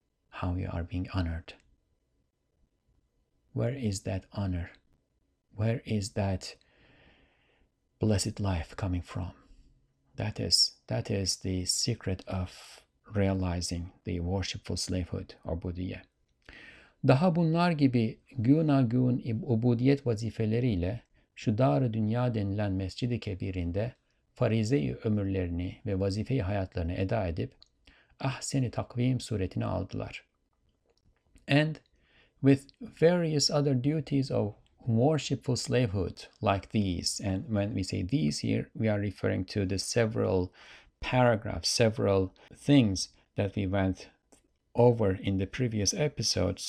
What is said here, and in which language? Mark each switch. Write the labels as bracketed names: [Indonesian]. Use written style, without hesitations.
[English] How you are being honored. Where is that honor? Where is that blessed life coming from? That is the secret of realizing the worshipful slavehood or Budiye. [Turkish] Daha bunlar gibi günagün ubudiyet vazifeleriyle şu dar-ı dünya denilen mescid-i kebirinde farize-i ömürlerini ve vazife-i hayatlarını eda edip ahsen-i takvim suretini aldılar. [English] And with various other duties of worshipful slavehood like these, and when we say these here, we are referring to the several paragraphs, several things that we went over in the previous episode.